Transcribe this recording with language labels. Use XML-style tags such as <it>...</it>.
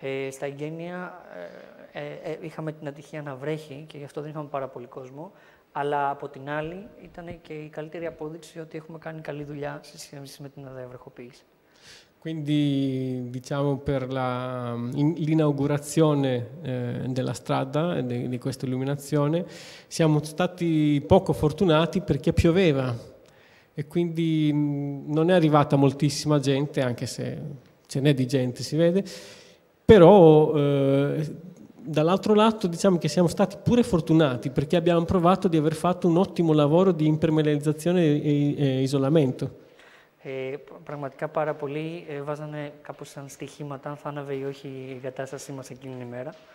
<el>Στα γένεια είχαμε την ατυχία να βρέχει και γι' αυτό δεν είχαμε πάρα πολύ κόσμο, αλλά από την άλλη ήταν και η καλύτερη απόδειξη ότι έχουμε κάνει καλή δουλειά σε σχέση με την αδιαβροχοποίηση.</el> <it>Quindi diciamo per l'inaugurazione della strada e di questa illuminazione siamo stati poco fortunati perché pioveva e quindi non è arrivata moltissima gente, anche se ce n'è di gente, si vede, però dall'altro lato diciamo che siamo stati pure fortunati perché abbiamo provato di aver fatto un ottimo lavoro di impermeabilizzazione e isolamento.</it> <el>Πραγματικά πάρα πολλοί βάζανε κάπως σαν στοιχήματα αν θα άναβε ή όχι η κατάστασή μας εκείνη την ημέρα.</el>